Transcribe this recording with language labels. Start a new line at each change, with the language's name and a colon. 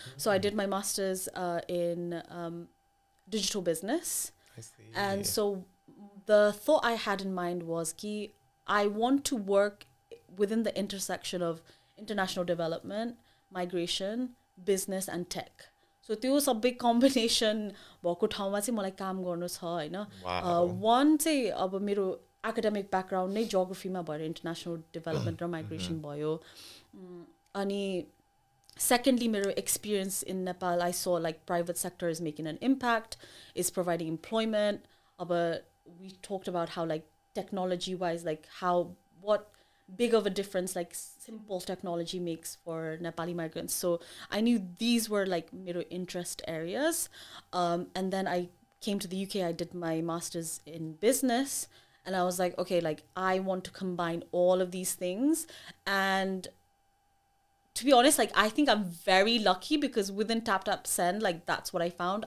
English: So I did my master's in digital business. I see. And so the thought I had in mind was ki I want to work within the intersection of international development, migration, business and tech.
Nepali: So त्यो सबै combination भएको ठाउँमा चाहिँ मलाई काम गर्नु छ होइन. वान चाहिँ अब मेरो एकाडेमिक ब्याकग्राउन्ड नै जियोग्राफीमा भयो, इन्टरनेसनल डेभलपमेन्ट र माइग्रेसन भयो. अनि सेकेन्डली मेरो
English: Experience in Nepal, I saw like private sector is making an impact, is providing employment. अब we talked about how like technology wise like how what big of a difference like simple technology makes for Nepali migrants. So I knew these were like middle interest areas. And then I came to the UK, I did my master's in business. And I was like, okay, like I want to combine all of these things. And to be honest, like I think I'm very lucky because within TapTap Send, like that's what I found.